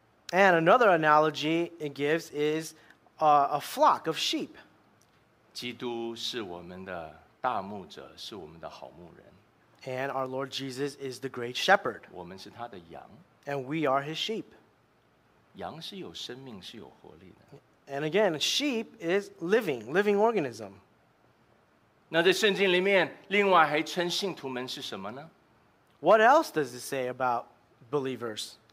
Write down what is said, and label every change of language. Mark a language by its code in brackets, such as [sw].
[en] And another analogy it gives is a flock of sheep. [zh] 基督是我们的大牧者，是我们的好牧人。 [en] And our Lord Jesus is the great shepherd. [zh] 我们是他的羊。 [en] And we are his sheep. [zh] 羊是有生命，是有活力的。 [en] And again, sheep is living organism. [zh] 那在圣经里面，另外还称信徒们是什么呢？ [en] What else does it say about believers?